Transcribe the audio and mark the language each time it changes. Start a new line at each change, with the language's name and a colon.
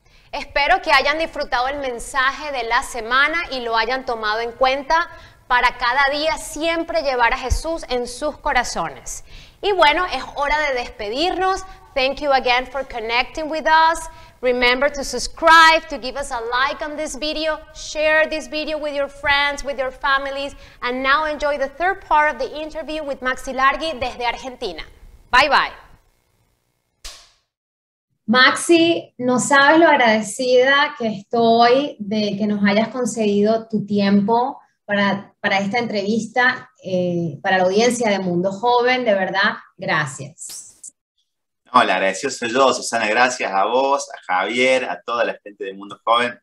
Spanish: Espero que hayan disfrutado el mensaje de la semana y lo hayan tomado en cuenta para cada día siempre llevar a Jesús en sus corazones. Y bueno, es hora de despedirnos.
English: Thank you again for connecting with us. Remember to subscribe, to give us a like on this video, share this video with your friends, with your families, and now enjoy the third part of the interview with Maxi Largi
Spanish: desde Argentina.
English: Bye bye.
Spanish: Maxi, no sabes lo agradecida que estoy de que nos hayas concedido tu tiempo para esta entrevista, para la audiencia de Mundo Joven, de verdad, gracias. Hola, agradecido soy yo, Susana, gracias a vos, a Javier, a toda la gente del Mundo Joven.